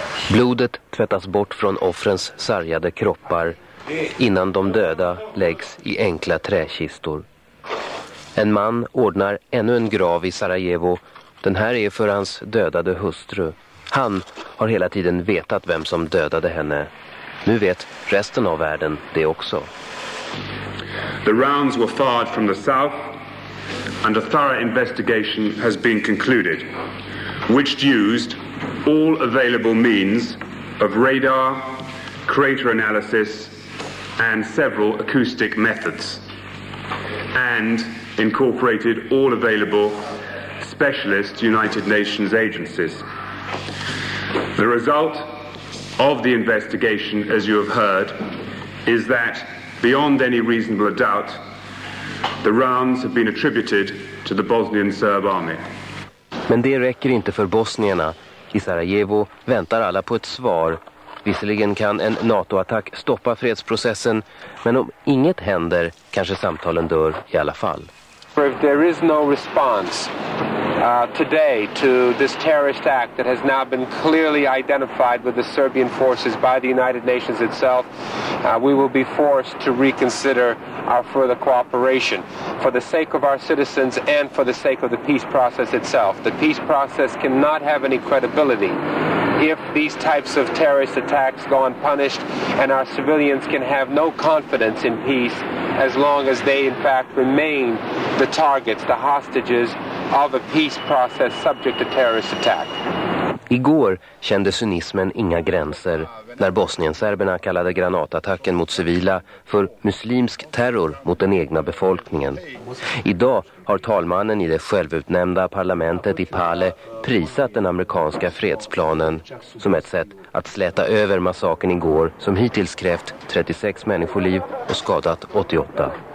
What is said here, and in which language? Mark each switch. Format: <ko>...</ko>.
<sv>Blodet tvättas bort från offrens sargade kroppar innan de döda läggs i enkla träkistor. En man ordnar ännu en grav i Sarajevo. Den här är för hans dödade hustru. Han har hela tiden vetat vem som dödade henne. Nu vet resten av världen det också.</sv> <en>The rounds were fired from the south and a thorough investigation has been concluded, which used all available means of radar, crater analysis and several acoustic methods and incorporated all available specialist United Nations agencies. The result of the investigation, as you have heard, is that beyond any reasonable doubt, the rounds have been attributed to the Bosnian Serb army.</en> <sv>Men det räcker inte för bosnierna. I Sarajevo väntar alla på ett svar. Visserligen kan en NATO-attack stoppa fredsprocessen, men om inget händer kanske samtalen dör i alla fall.</sv> <en>If there is no response today to this terrorist act that has now been clearly identified with the Serbian forces by the United Nations itself, we will be forced to reconsider our further cooperation for the sake of our citizens and for the sake of the peace process itself. The peace process cannot have any credibility if these types of terrorist attacks go unpunished, and our civilians can have no confidence in peace as long as they in fact remain the targets, the hostages of a peace process subject to terrorist attack.</en> <sv>Igår kände cynismen inga gränser när bosnienserberna kallade granatattacken mot civila för muslimsk terror mot den egna befolkningen. Idag har talmannen i det självutnämnda parlamentet i Pale prisat den amerikanska fredsplanen som ett sätt att släta över massakern igår som hittills krävt 36 människoliv och skadat 88.</sv>